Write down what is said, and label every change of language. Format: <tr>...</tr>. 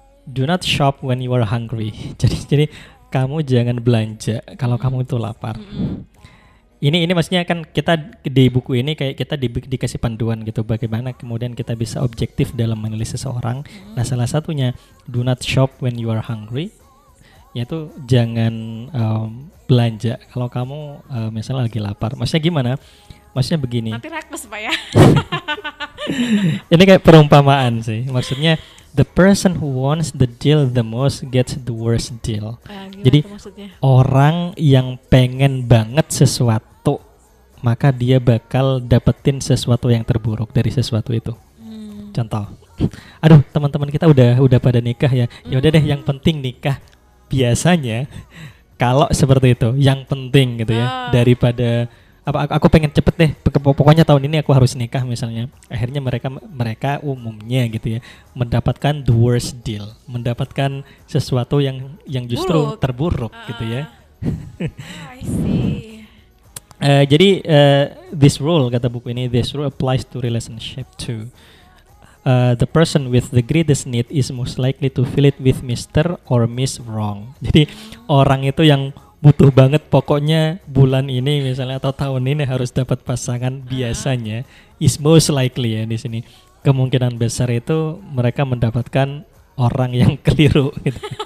<en>Do not shop when you are hungry.</en> <id>Jadi kamu jangan belanja kalau kamu itu lapar. Ini maksudnya kan kita di buku ini kayak kita dikasih panduan gitu bagaimana kemudian kita bisa objektif dalam menilai seseorang. Nah, salah satunya</id> <en>do not shop when you are hungry,</en> <id>yaitu jangan belanja kalau kamu misalnya lagi lapar. Maksudnya gimana? Maksudnya begini. Nanti rakus Pak ya. Ini kayak perumpamaan sih. Maksudnya</id> <en>the person who wants the deal the most gets the worst deal.</en> <id>Jadi orang yang pengen banget sesuatu, maka dia bakal dapetin sesuatu yang terburuk dari sesuatu itu. Contoh, aduh teman-teman kita udah pada nikah ya. Yaudah deh, yang penting nikah. Biasanya kalau seperti itu, yang penting gitu ya. Daripada apa, aku pengen cepet deh, pokoknya tahun ini aku harus nikah misalnya, akhirnya mereka umumnya gitu ya mendapatkan</id> <en>the worst deal,</en> <id>mendapatkan sesuatu yang justru buruk. Terburuk gitu ya.</id> <en>I see.</en> <id>Jadi</id> <en>this rule,</en> <id>kata buku ini,</id> <en>this rule applies to relationship too. The person with the greatest need is most likely to fill it with Mr. or Miss Wrong.</en> <id>Jadi orang itu yang butuh banget pokoknya bulan ini misalnya atau tahun ini harus dapat pasangan, biasanya</id> <en>is most likely</en> <id>ya, di sini kemungkinan besar itu mereka mendapatkan orang yang keliru gitu.</id>